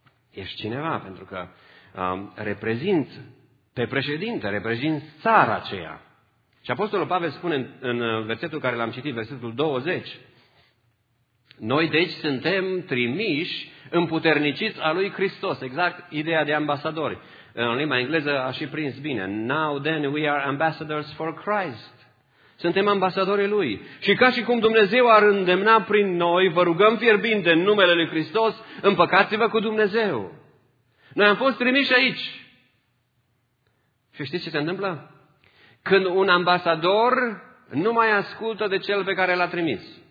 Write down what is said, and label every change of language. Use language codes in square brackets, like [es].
[ro] Ești cineva, pentru că reprezint pe președinte, reprezint țara aceea. Și Apostolul Pavel spune în versetul care l-am citit, versetul 20, noi deci suntem trimiși, împuterniciți a lui Hristos. Exact ideea de ambasadori. În limba engleză a și prins bine. [en] Now then we are ambassadors for Christ. [ro] Suntem ambasadorii Lui. Și ca și cum Dumnezeu ar îndemna prin noi, vă rugăm fierbinte în numele Lui Hristos, împăcați-vă cu Dumnezeu. Noi am fost trimiși aici. Și știți ce se întâmplă? Când un ambasador nu mai ascultă de cel pe care l-a trimis.